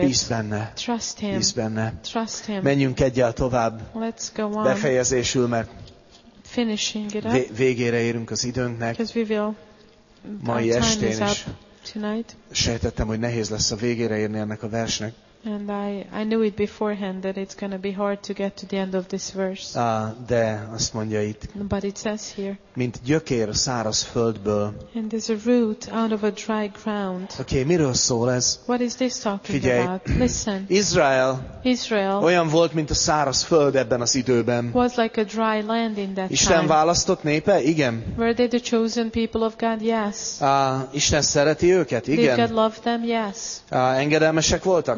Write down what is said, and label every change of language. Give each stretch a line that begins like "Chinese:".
Hungarian: Bízz benne.
English: Trust him.
Hungarian: Bízz benne.
English: Trust him.
Hungarian: Menjünk egyel tovább.
English: Let's go on.
Hungarian: Befejezésül, mert
English: finishing it up.
Hungarian: Végére érünk az időnknek. Mai estén is sejtettem, hogy nehéz lesz a végére érni ennek a versnek.
English: And I knew it beforehand that it's going to be hard to get to the end of this verse.
Hungarian: De azt mondja itt.
English: But it says here.
Hungarian: Mint gyökér a száraz földből.
English: And there's a root out of a dry ground.
Hungarian: Okay, miről szól ez?
English: What is this talking
Hungarian: figyelj.
English: About? Listen. Israel.
Hungarian: Olyan volt, mint a száraz föld ebben az időben.
English: Was like a dry land in that
Hungarian: Isten
English: time.
Hungarian: Isten választott népe? Igen.
English: Were they the chosen people of God? Yes.
Hungarian: Isten szereti őket? Igen.
English: Did God love them? Yes.
Hungarian: Engedelmesek voltak?